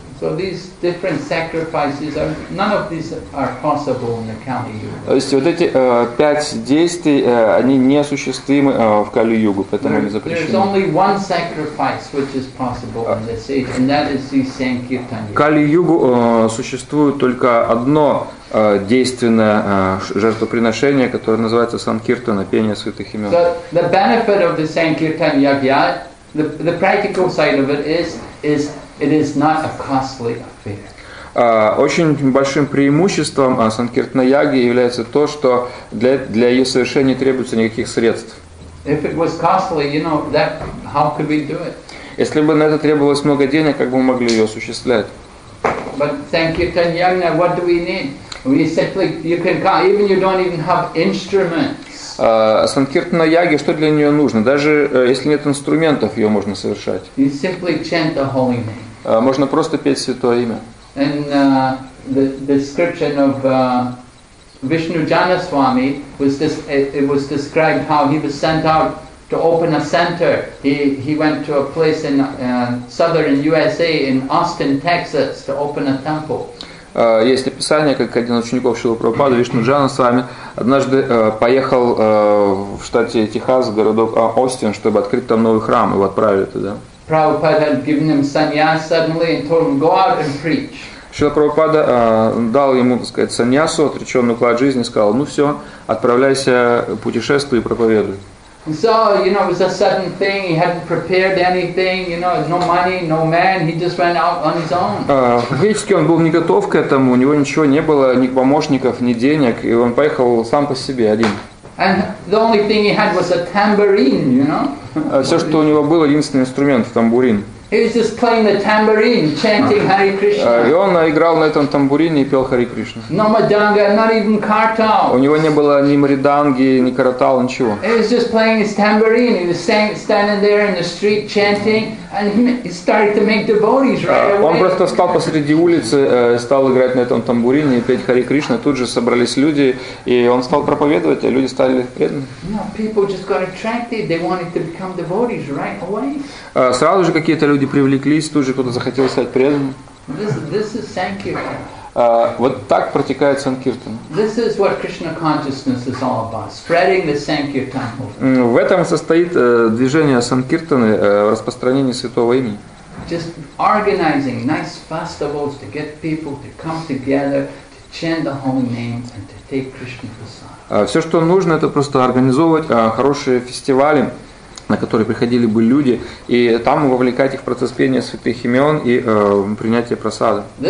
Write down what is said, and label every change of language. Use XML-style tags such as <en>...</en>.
<en>So these different sacrifices are none of these are possible in the Kali-yuga.</en> <ru>То есть вот эти пять действий они неосуществимы в Кали-югу, поэтому они запрещены.</ru> <en>There is only one sacrifice which is possible in this age, and that is the Sankirtan.</en> <ru>В Кали-югу существует только одно действенное жертвоприношение, которое называется Санкиртана, пение святых имен.</ru> <en>So the benefit of the Sankirtan Yagya, the practical side of it is it is not a costly affair.</en> <ru>Очень большим преимуществом Санкиртна-яги является то, что для ее совершения не требуется никаких средств.</ru> <en>If it was costly, you know, that how could we do it?</en> <ru>Если бы на это требовалось много денег, как бы мы могли ее осуществлять?</ru> <en>But Санкиртна-яги, what do we need? We simply you can come, even you don't even have instruments.</en> <ru>Санкиртна Яги, что для нее нужно? Даже если нет инструментов, ее можно совершать.</ru> <en>You simply chant the holy name.</en> <ru>Можно просто петь святое имя.</ru> <en>And the description of Vishnu Janaswami was this, it was described how he was sent out to open a center. He went to a place in southern USA in Austin, Texas to open a temple.</en> <ru>Есть описание, как один из учеников Шрилы Прабхупады, Вишну Джана с вами, однажды поехал в штате Техас, в городок Остин, чтобы открыть там новый храм, его отправили туда. Шрила Прабхупада дал ему, так сказать, саньясу, отреченный уклад жизни, сказал, ну все, отправляйся, путешествуй и проповедуй.</ru> <en>So, you know, it was a sudden thing. He hadn't prepared anything. You know, no money, no man. He just went out on his own.</en> <ru>Фактически он был не готов к этому. У него ничего не было, ни помощников, ни денег, и он поехал сам по себе один.</ru> <en>And the only thing he had was a tambourine. You know.</en> <ru>Все, что у него было, единственный инструмент, тамбурин.</ru> <en>He was just playing the tambourine, chanting Hare Krishna.</en> <ru>И он играл на этом тамбурине и пел Hare Krishna.</ru> <en>No madanga, not even kartal.</en> <ru>У него не было ни мриданги, ни каратал, ничего.</ru> <en>He was just playing his tambourine. He was standing there in the street chanting, and he started to make devotees right away.</en> <ru>Он просто встал посреди улицы, стал играть на этом тамбурине и петь Hare Krishna. Тут же собрались люди, и он стал проповедовать, а люди стали преданы.</ru> <en>No, people just got attracted. They wanted to become devotees right away.</en> <ru>Сразу же какие-то люди привлеклись, тут же кто-то захотел стать преданным.</ru> <en>This is Sankirtan.</en> <ru>Вот так протекает Санкиртан.</ru> <en>This is what Krishna consciousness is all about, spreading the Sankirtan movement.</en> <ru>В этом состоит движение Санкиртаны, распространение святого имени.</ru> <en>Just organizing nice festivals to get people to come together to chant the holy name and to take Krishna prasad.</en> <ru>Все, что нужно, это просто организовывать хорошие фестивали, на который приходили бы люди, и там вовлекать их в процесс пения святых имен и принятия просады.</ru>